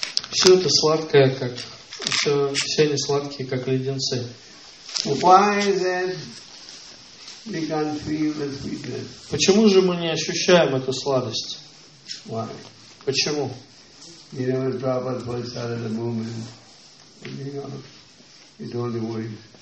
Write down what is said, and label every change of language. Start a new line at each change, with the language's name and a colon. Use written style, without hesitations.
Russian: Все это сладкое, как все они сладкие, как леденцы.
English: Why is it we can't feel the sweetness?
Russian: Почему же мы не ощущаем эту сладость?
English: Why?
Russian: Почему?
English: You know, when Prabhupada first started the movement, you know, it only worries.